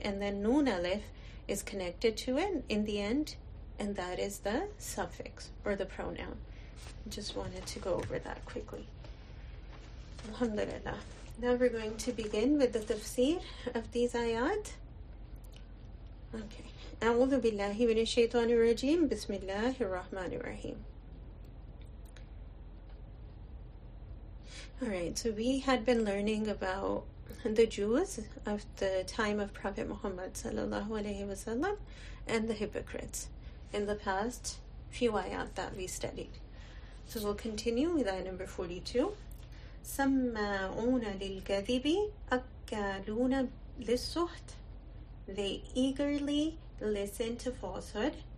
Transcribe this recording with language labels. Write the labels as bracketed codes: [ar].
[en] And then nun alif is connected to it in the end. And that is the suffix or the pronoun. Just wanted to go over that quickly. Alhamdulillah. Now we're going to begin with the tafsir of these ayat. Okay. [ar] أعوذ بالله من الشيطان الرجيم بسم الله الرحمن الرحيم. [en] Alright, so we had been learning about the Jews of the time of Prophet Muhammad sallallahu alayhi wa sallam and the hypocrites in the past few ayat that we studied. So we'll continue with ayah number 42. [ar] سَمَّعُونَ لِلْكَذِبِ أَكَّالُونَ لِلسُّحْتِ. [en] They eagerly listen to falsehood